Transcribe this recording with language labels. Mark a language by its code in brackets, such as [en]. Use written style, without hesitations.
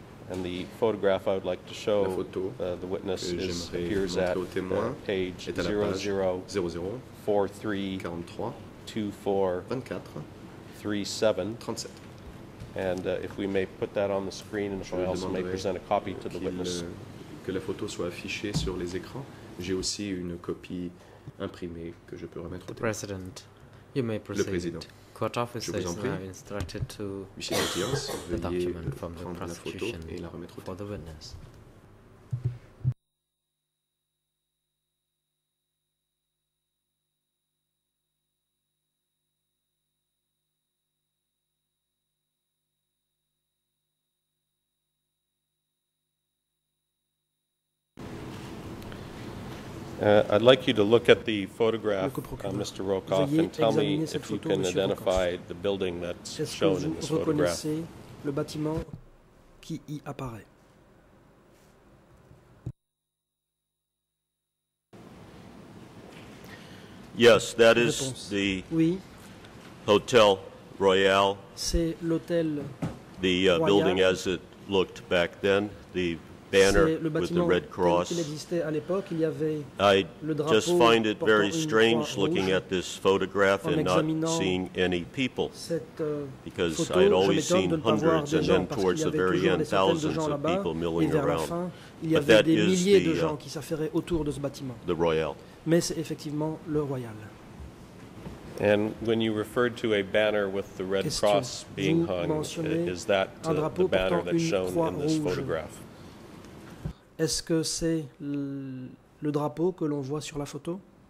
[en] And the photograph I would like to show the witness appears at page 00 43 24 37. And if we may put that on the screen, and if I also may present a copy to the witness. [fr] Que la photo soit affichée sur les écrans. J'ai aussi une copie imprimée que je peux remettre au [en] témoin. President, you may proceed. [fr] Le président. [en] Court officers are instructed to take the document from the prosecution [fr] et la remettre au [en] for the witness. I'd like you to look at the photograph, Mr. Rokoff, and tell me if you can identify the building that's shown in this photograph. [fr] Est-ce que vous reconnaissez le bâtiment qui y apparaît? [en] Yes, that is the Hotel Royal. [fr] C'est l'hôtel Royal. [en] The building as it looked back then, the banner with the Red Cross. I just find it very strange looking at this photograph and not seeing any people, because I had always seen hundreds and then towards the very end thousands of people milling around. But that is the Royal. [fr] Mais c'est effectivement le Royal. [en] And when you referred to a banner with the Red Cross being hung, is that the banner that's shown in this photograph? [fr] Est-ce que c'est le drapeau que l'on voit sur la photo?